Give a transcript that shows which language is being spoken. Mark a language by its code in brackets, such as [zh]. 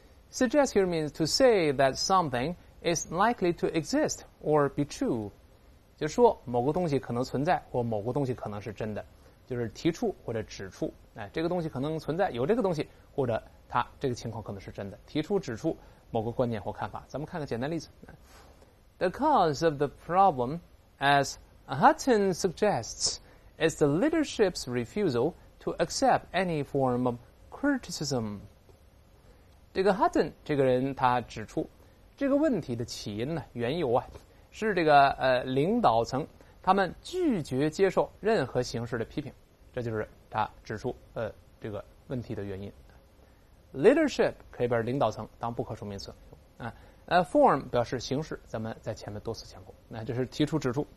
[en] Suggest here means to say that something is likely to exist or be true. [zh] 就说某个东西可能存在或某个东西可能是真的，就是提出或者指出，这个东西可能存在，有这个东西，或者它这个情况可能是真的，提出指出某个观念或看法。咱们看个简单例子。 [en] The cause of the problem, as Hutton suggests, is the leadership's refusal to accept any form of criticism. [zh] 这个 Hutton 这个人他指出，这个问题的起因呢，缘由啊，是这个领导层他们拒绝接受任何形式的批评，这就是他指出这个问题的原因。 Leadership 可以把领导层当不可数名词啊，form 表示形式，咱们在前面多次讲过，那就是提出指出。